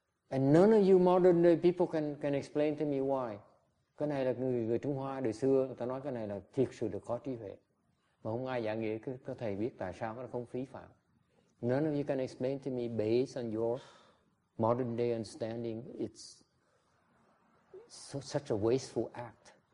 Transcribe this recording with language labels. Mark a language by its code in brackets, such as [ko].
[en] And none of you modern day people can explain to me why. [vi] Cái này là người Trung Hoa đời xưa, người ta nói cái này là thiệt sự được có trí huệ. Mà không ai giảng nghĩa có thầy biết tại sao nó không phí phạm. [en] None of you can explain to me based on your modern day understanding, it's such a wasteful act.